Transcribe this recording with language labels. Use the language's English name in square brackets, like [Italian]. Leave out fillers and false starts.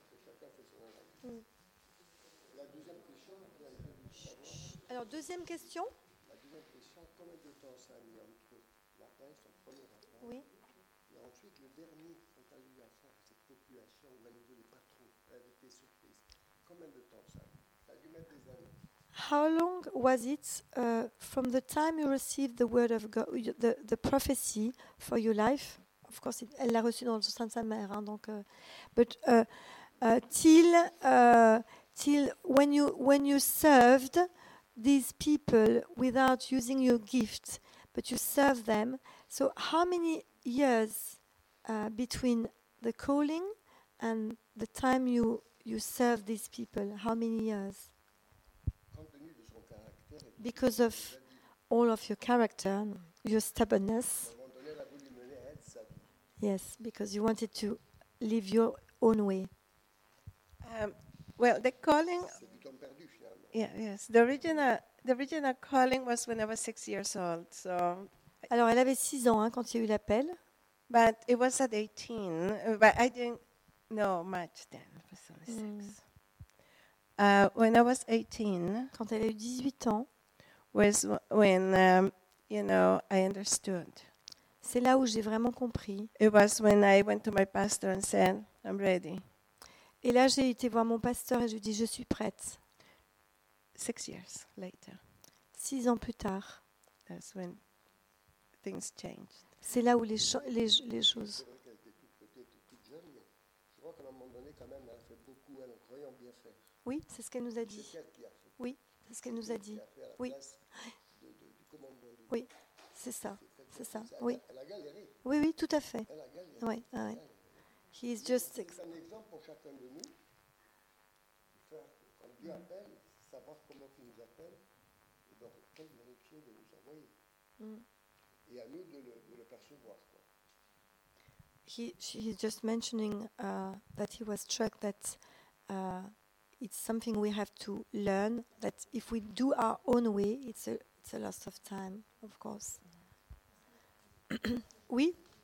[French] Chacun fait son avis. La deuxième question, c'est la deuxième question. Alors, deuxième question. Combien de temps ça a mis entre l'appel, son premier appel, oui. Et ensuite le dernier quand elle a eu affaire à cette population où elle ne voulait pas trop, elle était surprise. Combien de temps ça a mis? Ça a dû mettre des années. [English] How long was it from the time you received the word of God, the prophecy for your life? Of course, [French] elle l'a reçue dans le sein de sa mère, hein, donc. [English] But till when you served these people without using your gift, but you serve them. So how many years between the calling and the time you serve these people? How many years? Because of all of your character, your stubbornness. Yes, because you wanted to live your own way. Well, the calling... Yes. The original calling was when I was 6 years old. So. [French] Alors, elle avait 6 ans hein, quand il y a eu l'appel. [English] But it was at 18. But I didn't know much then. It was only 6. When I was 18. [French] Quand elle a eu 18 ans. [English] Was when you know I understood. [French] C'est là où j'ai vraiment compris. [English] It was when I went to my pastor and said, "I'm ready." [French] Et là, j'ai été voir mon pasteur et je lui dis, "Je suis prête." [English] 6 years later. [French] 6 ans plus tard. [English] That's when things changed. [French] C'est là où les choses. C'est vrai qu'elle était toute jeune, mais je crois qu'à un moment donné, quand même, elle a fait beaucoup, elle en croyant bien faire. Oui, c'est ce qu'elle nous a dit. C'est elle qui a fait. Oui, c'est ce qu'elle nous a dit. Oui. Du commandement de Dieu. Oui, c'est ça. C'est ça. Oui. Elle a galéré. Oui, oui, tout à fait. Elle a galéré. [English] Oui, oui. He is just six. [French] C'est un exemple pour chacun de nous. Quand Dieu appelle, savoir comment il nous appelle et dans quelle direction il nous envoie. Et à nous de le percevoir. Quoi. [English] He's just mentioning that he was struck that it's something we have to learn, that if we do our own way, it's a loss of time, of course. [French] Oui.